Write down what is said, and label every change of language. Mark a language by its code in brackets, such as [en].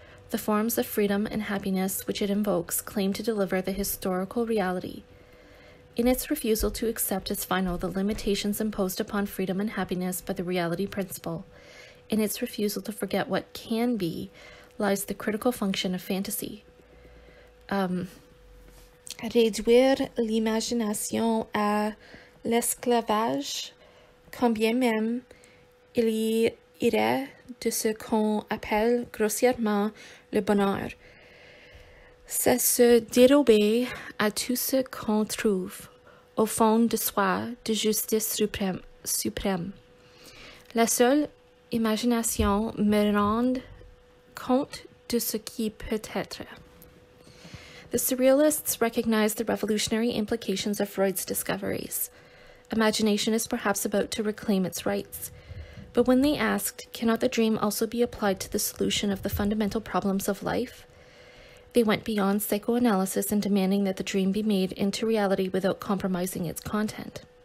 [en] The forms of freedom and happiness which it invokes claim to deliver the historical reality. In its refusal to accept as final the limitations imposed upon freedom and happiness by the reality principle, in its refusal to forget what can be, lies the critical function of fantasy. [fr] Réduire l'imagination à l'esclavage, combien même il y irait de ce qu'on appelle grossièrement le bonheur. C'est se dérober à tout ce qu'on trouve, au fond de soi, de justice suprême. La seule imagination me rend compte de ce qui peut être. [en] The surrealists recognize the revolutionary implications of Freud's discoveries. Imagination is perhaps about to reclaim its rights. But when they asked, cannot the dream also be applied to the solution of the fundamental problems of life? They went beyond psychoanalysis in demanding that the dream be made into reality without compromising its content.